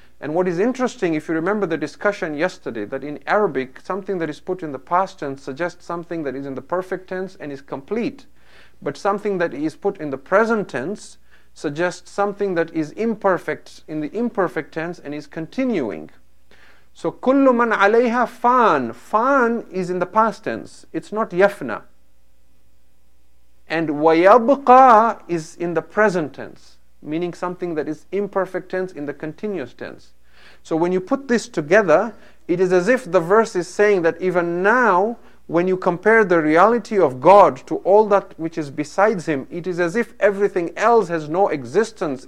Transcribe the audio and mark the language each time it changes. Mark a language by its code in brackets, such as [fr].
[en] And what is interesting, if you remember the discussion yesterday, that in Arabic, something that is put in the past tense suggests something that is in the perfect tense and is complete. But something that is put in the present tense suggests something that is imperfect in the imperfect tense and is continuing. So, [ar] كُلُّ مَنْ عَلَيْهَا فَان. [en] فَان is in the past tense. It's not يَفْنَى. And وَيَبْقَى is in the present tense, meaning something that is imperfect tense in the continuous tense. So when you put this together, it is as if the verse is saying that even now, when you compare the reality of God to all that which is besides Him, it is as if everything else has no existence.